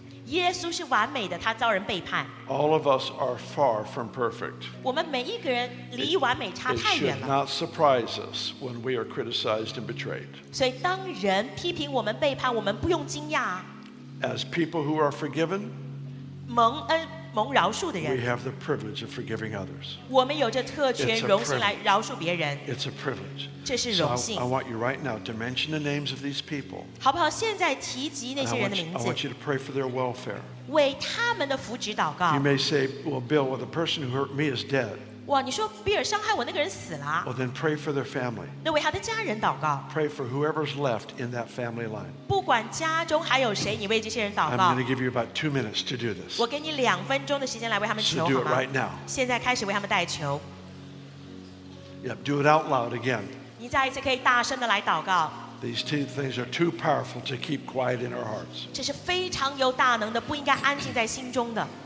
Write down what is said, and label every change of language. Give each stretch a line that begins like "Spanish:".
Chinese: 耶稣是完美的，他遭人背叛。
English: All of us are far from perfect.
Chinese: 我们每一个人离完美差太远了。
English: It should not surprise us when we are criticized and betrayed.
Chinese: 所以当人批评我们背叛，我们不用惊讶。
English: As people who are forgiven,
Chinese: 蒙恩蒙饶恕的人，
English: we have the privilege of forgiving others.
Chinese: 我们有着特权荣幸来饶恕别人。
English: It's a privilege.
Chinese: 这是荣幸。
English: So I want you right now to mention the names of these people.
Chinese: 好不好？现在提及那些人的名字。
English: I want you to pray for their welfare.
Chinese: 为他们的福祉祷告。
English: You may say, well, Bill, well, the person who hurt me is dead.
Chinese: 哇，你说比尔伤害我那个人死了。
English: Well, then pray for their family.
Chinese: 那为他的家人祷告。
English: Pray for whoever's left in that family line.
Chinese: 不管家中还有谁，你为这些人祷告。
English: I'm going to give you about 2 minutes to do this.
Chinese: 我给你两分钟的时间来为他们求，好吗？
English: So do it right now.
Chinese: 现在开始为他们代求。
English: Yep, do it out loud again.
Chinese: 你再一次可以大声的来祷告。
English: These two things are too powerful to keep quiet in our hearts.
Chinese: 这是非常有大能的，不应该安静在心中的。